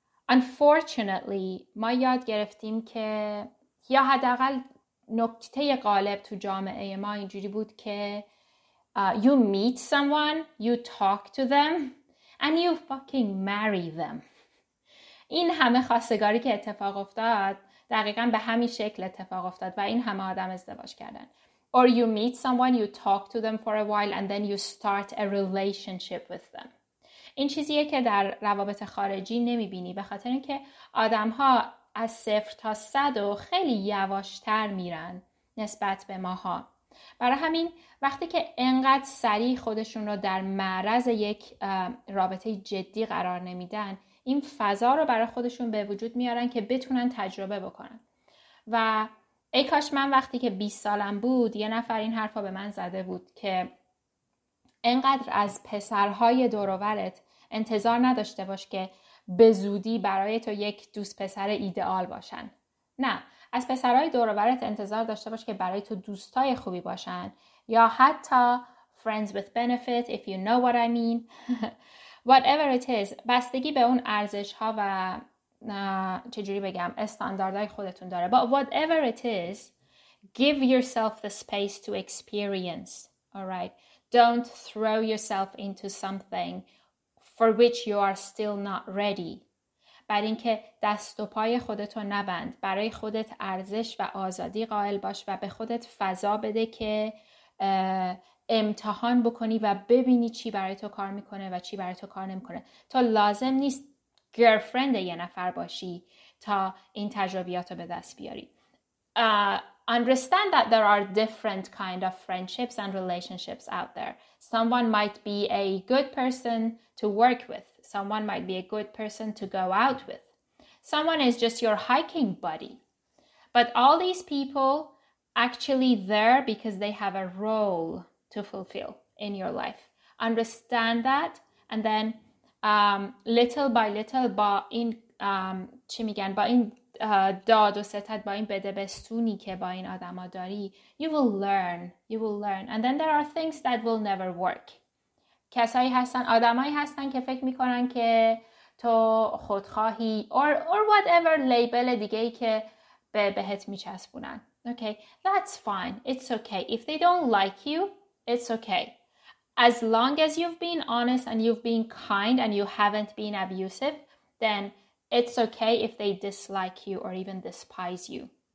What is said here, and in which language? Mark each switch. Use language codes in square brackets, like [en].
[en] Unfortunately [fa] ما یاد گرفتیم که یا حداقل نکته غالب تو جامعه ما اینجوری بود که [en] you meet someone, you talk to them and you fucking marry them. [fa] این همه خواستگاری که اتفاق افتاد دقیقا به همین شکل اتفاق افتاد و این همه آدم ازدواج کردن. [en] Or you meet someone, you talk to them for a while and then you start a relationship with them. [fa] این چیزیه که در روابط خارجی نمیبینی به خاطر اینکه آدم ها از صفر تا صد و خیلی یواشتر میرن نسبت به ماها. برای همین وقتی که انقدر سریع خودشون رو در معرض یک رابطه جدی قرار نمیدن این فضا رو برای خودشون به وجود میارن که بتونن تجربه بکنن. و ای کاش من وقتی که 20 سالم بود یه نفر این حرفا به من زده بود که انقدر از پسرهای دوروورت انتظار نداشته باش که به زودی برای تو یک دوست پسر ایدئال باشن. نه، از پسرهای دوروورت انتظار داشته باش که برای تو دوستای خوبی باشن یا حتی [en] friends with benefit if you know what I mean. Whatever it is، [fa] بستگی به اون ارزش‌ها و چجوری بگم استانداردهای خودتون داره. [en] But whatever it is، give yourself the space to experience. Alright، don't throw yourself into something for which you are still not ready. [fa] بعد اینکه دست و پای خودت رو نبند، برای خودت ارزش و آزادی قائل باش و به خودت فضا بده که امتحان بکنی و ببینی چی برای تو کار میکنه و چی برای تو کار نمیکنه. تو لازم نیست گرلفرند یه نفر باشی تا این تجربیاتو به دست بیاری. [en] Understand that there are different kind of friendships and relationships out there. Someone might be a good person to work with. Someone might be a good person to go out with. Someone is just your hiking buddy. But all these people actually there because they have a role to fulfill in your life. Understand that and then little by little [fa] با این چی میگن با این داد و ستد با این بدبستونی که با این آدم ها داری [en] you will learn and then there are things that will never work. [fa] کسایی هستن، آدمایی هستن که فکر میکنن که تو خودخواهی [en] or whatever [fa] label دیگه ای که بهت میچسبونن. [en] Okay, that's fine. It's okay. If they don't like you, it's okay. As long as you've been honest and you've been kind and you haven't been abusive, then it's okay if they dislike you or even despise you.